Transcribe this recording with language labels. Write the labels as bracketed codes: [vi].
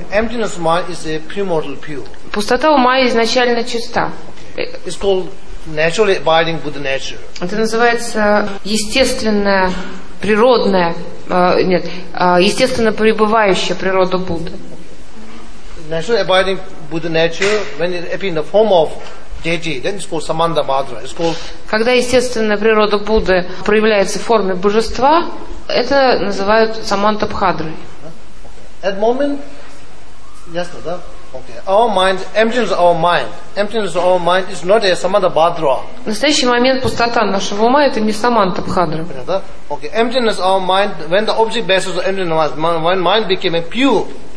[en] Emptiness of mind is a primordial pure. [ru] Пустота ума изначально чиста. [en] Okay. It's called naturally abiding with nature. [ru] Это называется естественная, природная, нет, естественно пребывающая природа Будды. [en] Naturally abiding with nature, when it appears in the form of deity, then it's called Samanda Madra. It's called. [ru] Когда естественная природа Будды проявляется в форме божества, это называют Самандабхадрой. [en] At moment, yes, no, да? Okay. Our mind, emptiness of our mind, emptiness of our mind is not a Samanda Madra. [ru] В настоящий момент пустота нашего ума это не Самандабхадра. Да? Okay. [en] Emptiness of our mind, when the object basis of emptiness, when mind became a pure.